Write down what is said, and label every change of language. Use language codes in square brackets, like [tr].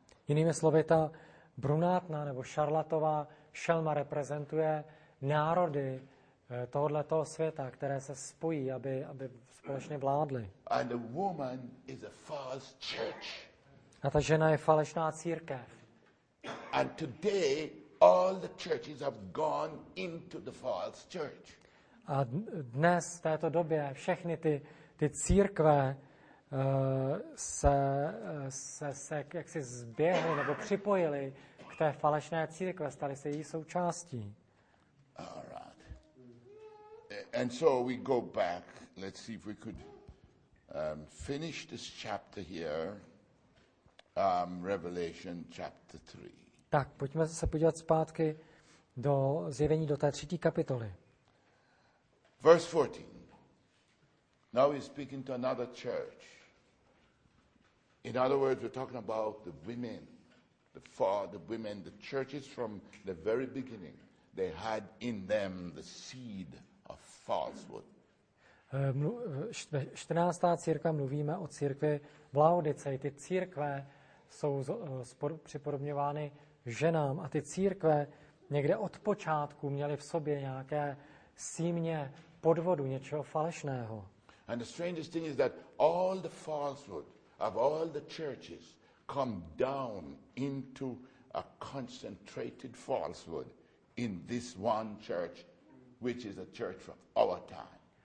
[cs] Jinými slovy, ta brunátná nebo šarlatová šelma reprezentuje národy tohoto světa, které se spojí, aby společně vládly. [en] And the woman is a false church. [cs] A ta žena je falešná církev. [en] And today all the churches have gone into the false church. [cs] A dnes v této době všechny ty církve se jaksi zběhly nebo připojily k té falešné církve, staly se její součástí. [en] All right. And so we go back. Let's see if we could finish this chapter here. Revelation chapter 3. [cs] Tak, pojďme se podívat zpátky do zjevení do té třetí kapitoly. [en] Verse 14. Now we're speaking to another church. In other words, we're talking about the women, the women, the churches from the very beginning. They had in them the seed of falsehood. [cs] Ve 14. církvi mluvíme o církvi v Laodicei. Ty církve jsou připodobňovány ženám a ty církve někde od počátku měly v sobě nějaké símě podvodu, něčeho falešného. [en] And the strangest thing is that all the falsehood of all the churches come down into a concentrated falsehood in this one church, which is a church of our time.